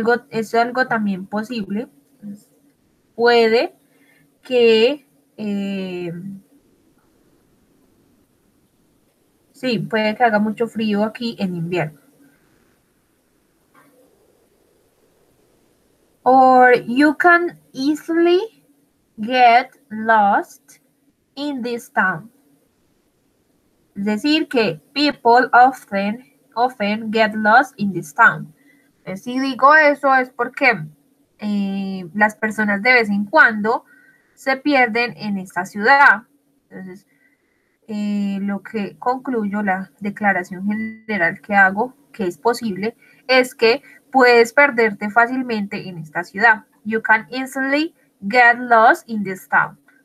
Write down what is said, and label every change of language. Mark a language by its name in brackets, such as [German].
[Spanish] Es algo también posible. Entonces, puede que puede que haga mucho frío aquí en invierno. [English] Or you can easily get lost in this town. [Spanish] Es decir, que [English] people often get lost in this town. [Spanish] Si digo eso es porque las personas de vez en cuando se pierden en esta ciudad. Entonces, lo que concluyo, la declaración general que hago, que es posible, es que puedes perderte fácilmente en esta ciudad. [English] You can easily get lost in this town.